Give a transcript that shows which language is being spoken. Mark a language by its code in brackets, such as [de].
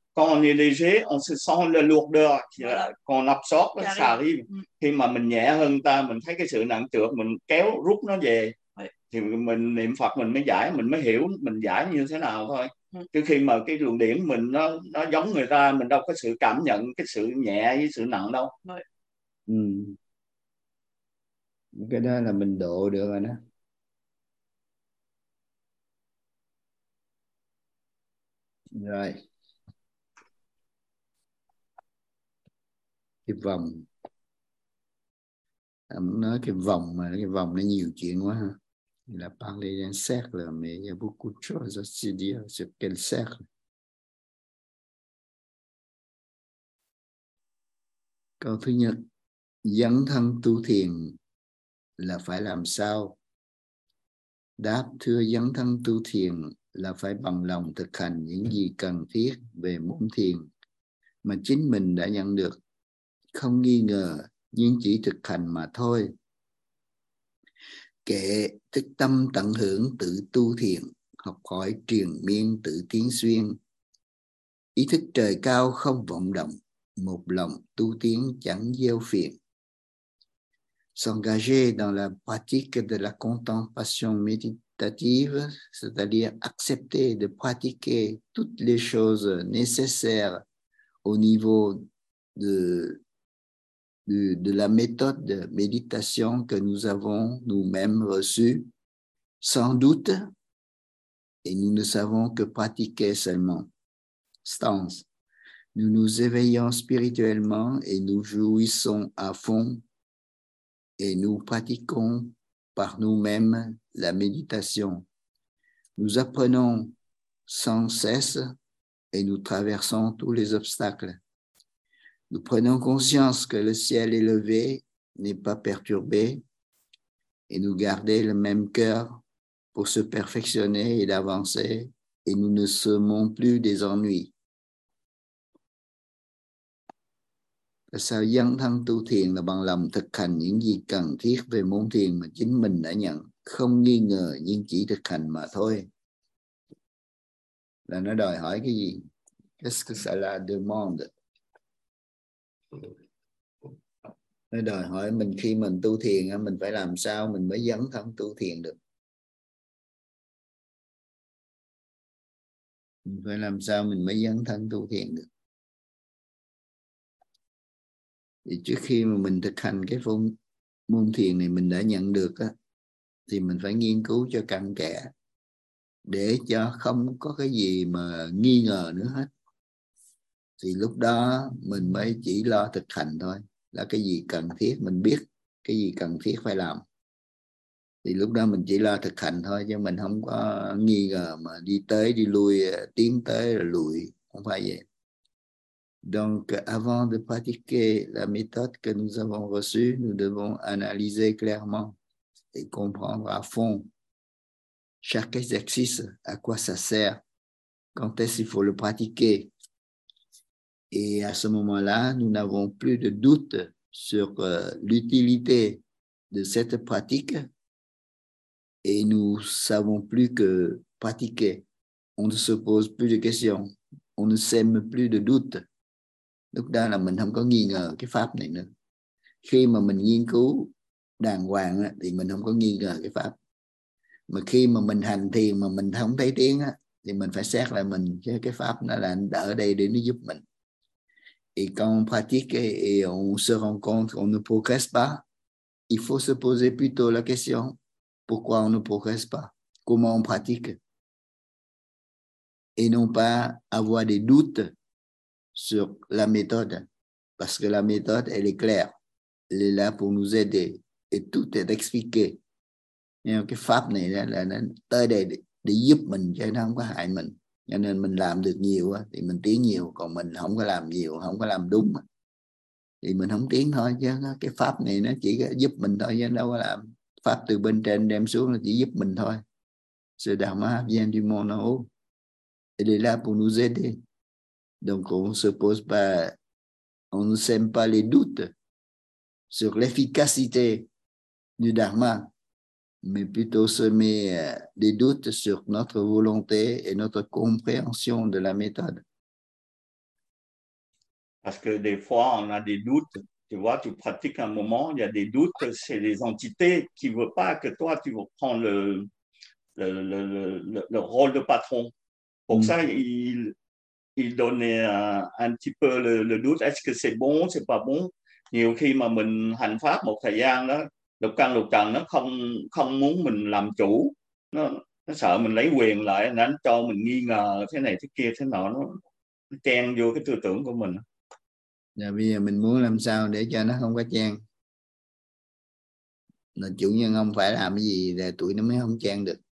[fr] Quand on est léger, on se sent la lourdeur qu'on absorbe, ça arrive. [vi] Khi mà mình nhẹ hơn ta, mình thấy cái sự nặng trược, mình kéo rút nó về. Thì mình niệm Phật, mình mới giải, mình mới hiểu mình giải như thế nào thôi. Chứ khi mà cái luồng điển mình nó giống người ta, mình đâu có sự cảm nhận cái sự nhẹ với sự nặng đâu. Cái đó là mình độ được rồi đó. Rồi. Cái vòng, em nói cái vòng nó nhiều chuyện quá ha. [fr] Il a parlé d'un cercle, mais il y a beaucoup de choses à se dire sur quel cercle. [vi] Câu thứ nhất, dấn thân tu thiền là phải làm sao? Đáp, thưa, dấn thân tu thiền là phải bằng lòng thực hành những gì cần thiết về môn thiền mà chính mình đã nhận được. Không nghi ngờ, nhưng chỉ thực hành mà thôi. Kệ thích tâm tận hưởng tự tu thiền, học hỏi triền miên tự tiến xuyên. Ý thức trời cao không vọng động, một lòng tu tiến chẳng gieo phiền. [fr] S'engager dans la pratique de la contemplation méditative, c'est-à-dire accepter de pratiquer toutes les choses nécessaires au niveau de la méthode de méditation que nous avons nous-mêmes reçue, sans doute, et nous ne savons que pratiquer seulement. Stance, nous nous éveillons spirituellement et nous jouissons à fond et nous pratiquons par nous-mêmes la méditation. Nous apprenons sans cesse et nous traversons tous les obstacles. Nous prenons conscience que le ciel élevé n'est pas perturbé et nous garder le même cœur pour se perfectionner et d'avancer et nous ne semons plus des ennuis. [vi] Tại sao dấn thân tu thiền là bằng lòng thực hành những gì cần thiết về môn thiền mà chính mình đã nhận, không nghi ngờ nhưng chỉ thực hành mà thôi. Là nó đòi hỏi cái gì? [fr] Qu'est-ce que ça la demande? [vi] Đòi hỏi mình khi mình tu thiền mình phải làm sao mình mới dấn thân tu thiền được, mình phải làm sao mình mới dấn thân tu thiền được. Thì trước khi mà mình thực hành cái môn thiền này mình đã nhận được á, thì mình phải nghiên cứu cho cặn kẽ để cho không có cái gì mà nghi ngờ nữa hết, thì lúc đó mình mới chỉ lo thực hành thôi, là cái gì cần thiết mình biết, cái gì cần thiết phải làm, thì lúc đó mình chỉ lo thực hành thôi, chứ mình không có nghi ngờ mà đi tới đi lui, tiến tới rồi lùi, không phải vậy. [fr] Donc avant de pratiquer la méthode que nous avons reçue, nous devons analyser clairement et comprendre à fond chaque exercice, à quoi ça sert, quand est-ce qu'il faut le pratiquer. Et à ce moment-là, nous n'avons plus de doute sur l'utilité de cette pratique et nous savons plus que pratiquer. On ne se pose plus de questions, on ne sème plus de doutes. [vi] Lúc đó là mình không có nghi ngờ cái pháp này nữa. Khi mà mình nghiên cứu đàng hoàng á, thì mình không có nghi ngờ cái pháp. Mà khi mà mình hành thiền mà mình không thấy tiếng á, thì mình phải xét lại mình, chứ cái pháp nó là ở đây để nó giúp mình. [fr] Et quand on pratique et on se rend compte qu'on ne progresse pas, il faut se poser plutôt la question, pourquoi on ne progresse pas? Comment on pratique? Et non pas avoir des doutes sur la méthode, parce que la méthode, elle est claire. Elle est là pour nous aider. Et tout est expliqué. [vi] Et cái pháp này là nó tới đây để giúp mình, chứ nó không có hại mình. Cho nên mình làm được nhiều thì mình tiến nhiều, còn mình không có làm nhiều, không có làm đúng thì mình không tiến thôi, chứ cái pháp này nó chỉ giúp mình thôi, chứ đâu có làm. Pháp từ bên trên đem xuống là chỉ giúp mình thôi. [fr] Ce dharma vient du monde en haut. Elle est là pour nous aider. Donc on se pose pas, on ne sème pas les doutes sur l'efficacité du dharma, mais plutôt semer des doutes sur notre volonté et notre compréhension de la méthode. Parce que des fois on a des doutes, tu vois, tu pratiques un moment, il y a des doutes, c'est les entités qui veulent pas que toi tu prends le rôle de patron. Pour ça il donnait un petit peu le doute, est-ce que c'est bon, c'est pas bon. [vi] Nhiều khi mà mình hành pháp một thời gian đó, lục căn nó không muốn mình làm chủ, nó sợ mình lấy quyền lại, nó cho mình nghi ngờ thế này thế kia thế nọ, nó chen vô cái tư tưởng của mình. Dạ, bây giờ mình muốn làm sao để cho nó không có chen, là chủ nhân ông phải làm cái gì là tụi nó mới không chen được.